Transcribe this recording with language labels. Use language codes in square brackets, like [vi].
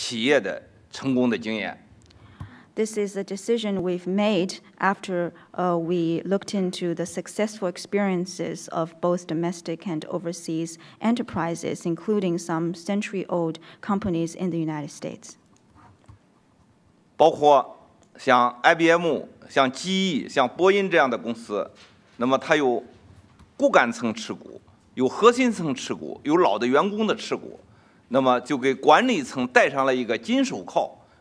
[zh] 这是吸收了国内外企业的成功的经验，包括美国的一些百年老店的企业的成功的经验。 [en] This is a decision we've made after we looked into the successful experiences of both domestic and overseas enterprises, including some century-old companies in the United States. [zh] 包括像 IBM, 像GE, 像波音这样的公司, 那么它有骨干层持股，有核心层持股, 有老的员工的持股, 那么就给管理层戴上了一个金手铐。